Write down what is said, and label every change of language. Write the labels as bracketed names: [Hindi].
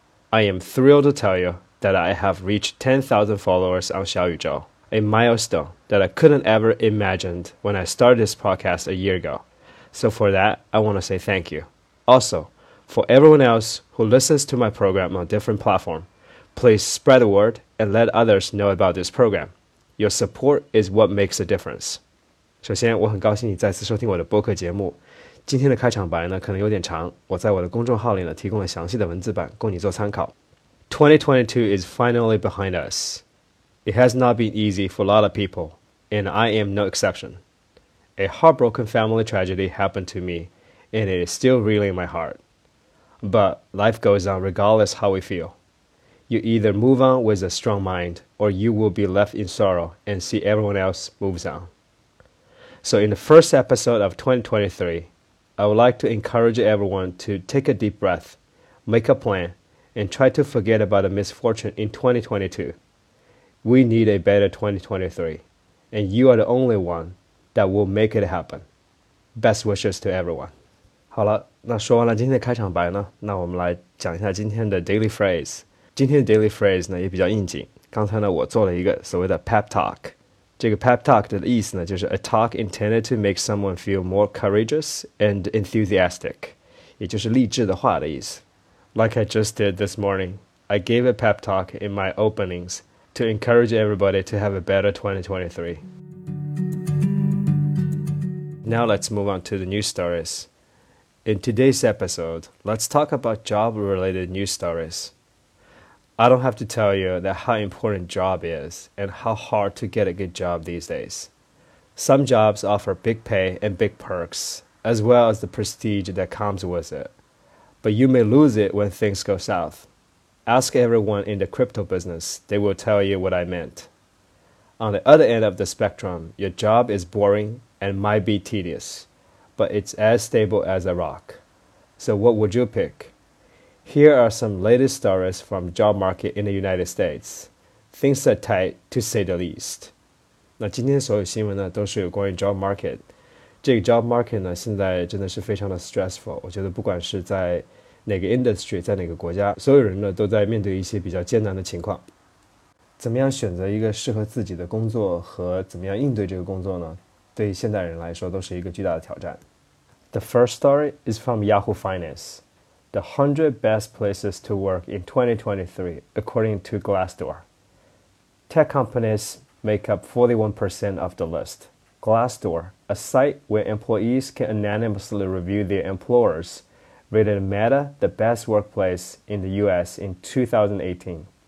[English] I am thrilled to tell you that I have reached 10,000 followers on Xiaoyu Zhou, a milestone that I couldn't ever imagined when I started this podcast a year ago. So for that, I want to say thank you. Also, for everyone else who listens to my program on a different platform, please spread the word and let others know about this program. Your support is what makes a difference. [Chinese] 首先，我很高兴你再次收听我的播客节目。今天的开场白呢，可能有点长，我在我的公众号里呢，提供了详细的文字版，供你做参考。 [English] 2022 is finally behind us. It has not been easy for a lot of people, and I am no exception. A heartbroken family tragedy happened to me, and it is still reeling in my heart. But life goes on regardless how we feel. You either move on with a strong mind, or you will be left in sorrow and see everyone else moves on. So in the first episode of 2023, I would like to encourage everyone to take a deep breath, make a plan, and try to forget about the misfortune in 2022. We need a better 2023, and you are the only one that will make it happen. Best wishes to everyone. [Chinese] 好了，那说完了今天的开场白呢，那我们来讲一下今天的 daily phrase。今天的 daily phrase 呢也比较应景。刚才呢我做了一个所谓的 pep talk。这个 pep talk 的意思呢就是 [English] a talk intended to make someone feel more courageous and enthusiastic, [Chinese] 也就是励志的话的意思。 [English] Like I just did this morning, I gave a pep talk in my openings to encourage everybody to have a better 2023. Now let's move on to the news stories. In today's episode, let's talk about job-related news stories. I don't have to tell you that how important job is and how hard to get a good job these days. Some jobs offer big pay and big perks, as well as the prestige that comes with it. But you may lose it when things go south. Ask everyone in the crypto business, they will tell you what I meant. On the other end of the spectrum, your job is boring and might be tedious, but it's as stable as a rock. So what would you pick? Here are some latest stories from job market in the United States. Things are tight, to say the least. [Chinese] 那今天所有新闻呢都是有关于 job market。这个 job market 呢现在真的是非常的 stressful。我觉得不管是在哪个 industry, 在哪个国家，所有人呢都在面对一些比较艰难的情况。怎么样选择一个适合自己的工作和怎么样应对这个工作呢？对现代人来说都是一个巨大的挑战。 [English] The first story is from Yahoo Finance. The 100 best places to work in 2023, according to Glassdoor. Tech companies make up 41% of the list. Glassdoor, a site where employees can anonymously review their employers, rated Meta the best workplace in the US in 2018.